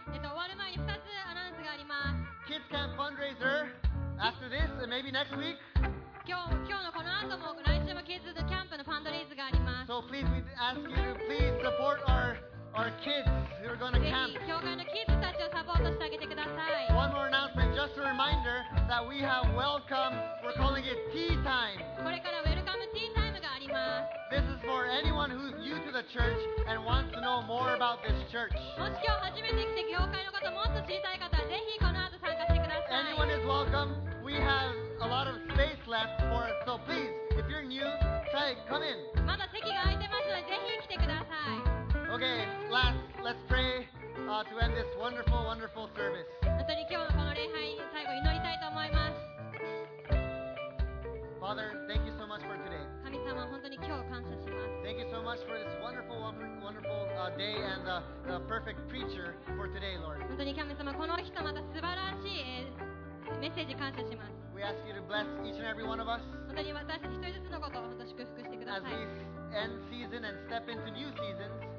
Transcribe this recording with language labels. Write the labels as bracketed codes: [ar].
[ja] 終わる前に2つアナウンスがあります。 [en] Kids Camp Fundraiser after this and maybe next week. [ja] 今日のこの後も来週もキッズキャンプのファンドレイズがあります。 [en] So please we ask you to please support our kids who are going to camp. [ja] 教会のキッズたちをサポートしてあげてください。 [en] One more announcement, just a reminder that we have welcome, we're calling it tea time. [ja] これからウェルカムティータイムがあります。 [en] This is for anyone who's new to the church and wants to know more about this church. [ja] もし今日初めて来て教会のこともっと知りたい方はぜひこの後参加してください。 [en] Anyone is welcome. We have a lot of space left for it, so please, if you're new, say, come in. [ja] まだ席が空いてますのでぜひ来てください。 [en] Okay, last, let's pray to end this wonderful, wonderful service. [ja] 本当に今日のこの礼拝に最後祈りたいと思います。 [en] Father, thank you so much for today. [ja] 神様、本当に今日感謝します。 [en] Thank you so much for this wonderful, wonderful day and the perfect preacher for today, Lord. [ja] 本当に神様、この人また素晴らしいメッセージ感謝します。 [en] We ask you to bless each and every one of us. [ja] 本当に私一人ずつのことを本当祝福してください。 [en] As we end season and step into new seasons,